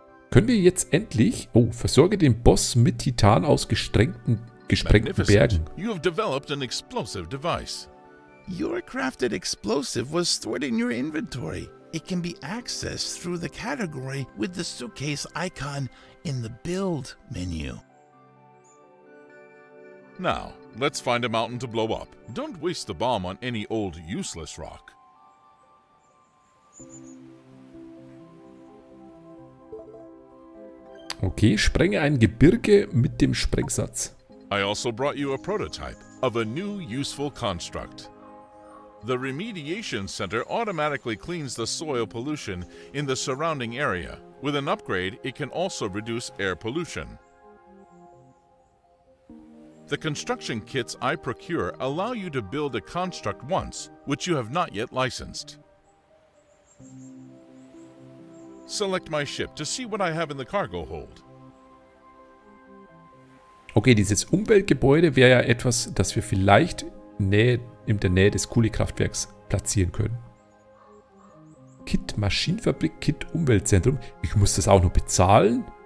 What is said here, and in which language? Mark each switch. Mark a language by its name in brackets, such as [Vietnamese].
[German] Können wir jetzt endlich... Oh, versorge den Boss mit Titan aus gesprengten Bergen. [English] You have developed an explosive device. Your crafted explosive was stored in your inventory. It can be accessed through the category with the suitcase icon in the build menu. Now, let's find a mountain to blow up. Don't waste the bomb on any old useless rock. [German] Okay, sprenge ein Gebirge mit dem Sprengsatz. [English] I also brought you a prototype of a new useful construct. The remediation center automatically cleans the soil pollution in the surrounding area. With an upgrade, it can also reduce air pollution. The construction kits I procure allow you to build a construct once, which you have not yet licensed. Select my ship to see what I have in the cargo hold. [German] Okay, dieses Umweltgebäude wäre ja etwas, das wir vielleicht in der Nähe des Kohlekraftwerks platzieren können. Kit Maschinenfabrik, Kit Umweltzentrum. Ich muss das auch noch bezahlen.